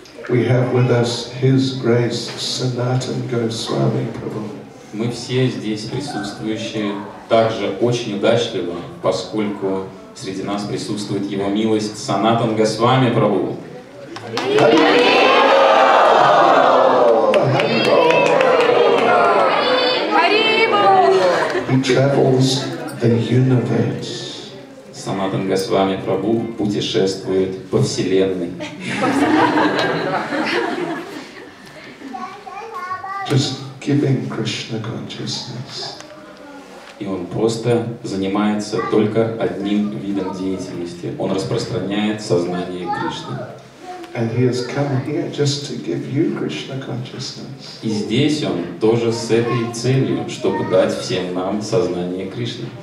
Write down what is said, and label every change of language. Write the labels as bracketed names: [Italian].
[English] We have with us His Grace Sanatan Goswami Prabhu. [Russian] Мы все здесь присутствующие также очень удачливо, поскольку среди нас присутствует Его милость Санатан Госвами Прабху. Харибол! Харибол! [English] He travels the universe. [Russian] Санатан Госвами Прабху путешествует по Вселенной. [English] Just giving Krishna consciousness. [Russian] И он просто занимается только одним видом деятельности. Он распространяет сознание Кришны. [English] And he has come here just to give you Krishna consciousness. [Russian] И здесь он тоже с этой целью, чтобы дать всем нам сознание Кришны.